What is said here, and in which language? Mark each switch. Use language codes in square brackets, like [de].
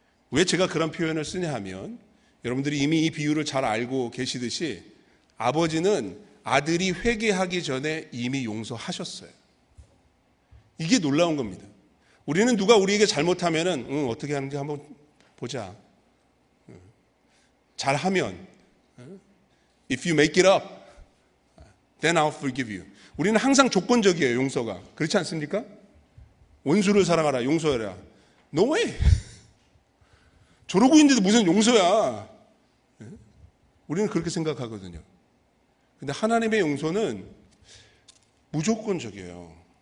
[ko] 왜 제가 그런 표현을 쓰냐 하면 여러분들이 이미 이 비유를 잘 알고 계시듯이 아버지는 아들이 회개하기 전에 이미 용서하셨어요. 이게 놀라운 겁니다. 우리는 누가 우리에게 잘못하면 어떻게 하는지 한번 보자. 잘하면 [en] If you make it up, then I'll forgive you. [ko] 우리는 항상 조건적이에요, 용서가. 그렇지 않습니까? 원수를 사랑하라, 용서해라. [en] No way. [ko] 저러고 있는데도 무슨 용서야. 우리는 그렇게 생각하거든요. 근데 하나님의 용서는 무조건적이에요.